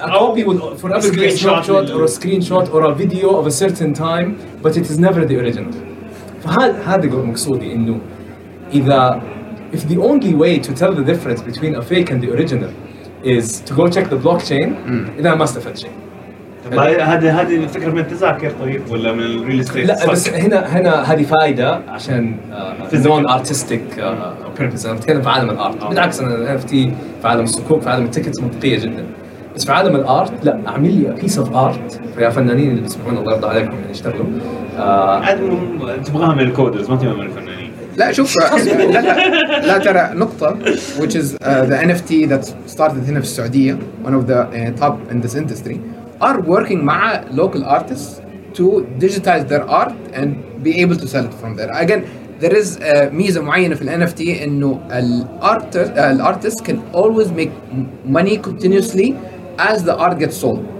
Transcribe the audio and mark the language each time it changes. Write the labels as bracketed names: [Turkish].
[English] a copy will forever be a snap shot or a screenshot or a video of a certain time but it is never the original. [Arabic] فهذا مقصودي انه اذا [English] if the only way to tell the difference between a fake and the original is to go check the blockchain, [Arabic] اذا ما استفدت شيء. طيب هذه الفكرة من التذاكر طيب ولا من الريل استيت؟ لا صح. بس هنا هذه فائدة عشان في نون ارتستيك بيربز، انا بتكلم في عالم الارت. بالعكس انا [English] NFT [Arabic] في عالم السكوك، في عالم التيكتس منطقية جدا، بس في عالم الارت لا، اعمل لي بيس اوف ارت. فيا فنانين اللي بيسمعونا الله يرضى عليكم اللي يشتغلوا، عادي تبغاها من الكودرز ما تبغاها من الفنانين. لا شوف لا ترى نقطة [English] which is the NFT that started [Arabic] هنا في السعودية, [English] one of the top in this industry, are working [Arabic] مع [English] local artists to digitize their art and be able to sell it from there. Again, there is a [Arabic] ميزة معينة في [English] NFT [Arabic] إنه الارتست [English] can always make money continuously as the art gets sold.